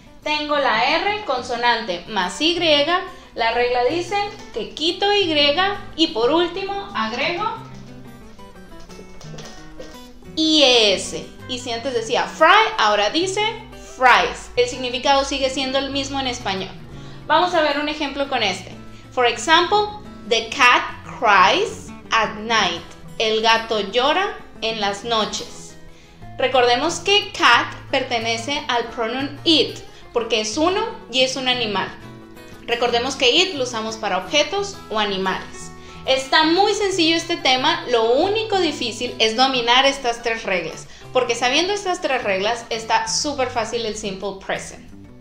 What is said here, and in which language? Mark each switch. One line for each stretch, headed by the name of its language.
Spanish: Tengo la R, consonante, más Y. La regla dice que quito Y y por último agrego IES. Y si antes decía fry, ahora dice fries. El significado sigue siendo el mismo en español. Vamos a ver un ejemplo con este.
English: For example, the cat cries at night.
Spanish: El gato llora en las noches. Recordemos que cat pertenece al pronoun it, porque es uno y es un animal. Recordemos que it lo usamos para objetos o animales. Está muy sencillo este tema, lo único difícil es dominar estas 3 reglas, porque sabiendo estas 3 reglas está súper fácil el simple present.